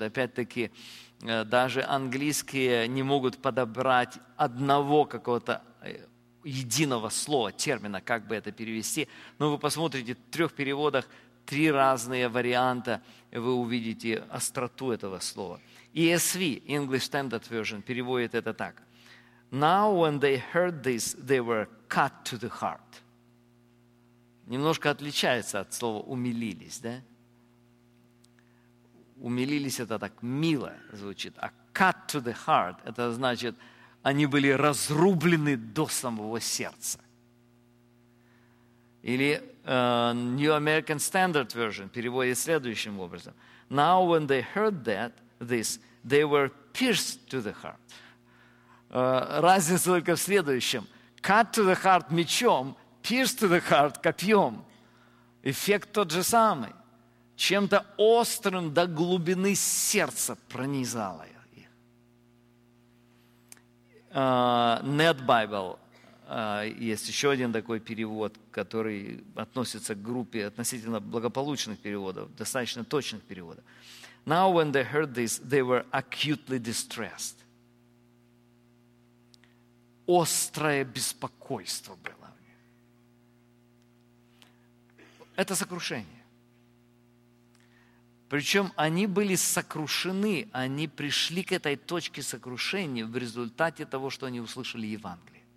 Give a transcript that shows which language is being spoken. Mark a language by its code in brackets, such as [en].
[ru] Опять-таки, даже английские не могут подобрать одного какого-то единого слова, термина, как бы это перевести. Но вы посмотрите, в трех переводах три разные варианта, и вы увидите остроту этого слова. [en] ESV, English Standard Version, [ru] переводит это так. [en] Now when they heard this, they were cut to the heart. [ru] Немножко отличается от слова умилились, да? Умилились — это так мило звучит. А [en] cut to the heart [ru] — это значит, они были разрублены до самого сердца. Или New American Standard Version переводит следующим образом. [en] Now when they heard that, this, they were pierced to the heart. [ru] Разница только в следующем. [en] Cut to the heart – [ru] мечом, [en] pierced to the heart – [ru] копьем. Эффект тот же самый. Чем-то острым до глубины сердца пронизало их. Net Bible – есть еще один такой перевод, который относится к группе относительно благополучных переводов, достаточно точных переводов. [en] Now when they heard this, they were acutely distressed. [ru] Острое беспокойство было у них. Это сокрушение. Причем они были сокрушены, они пришли к этой точке сокрушения в результате того, что они услышали Евангелие.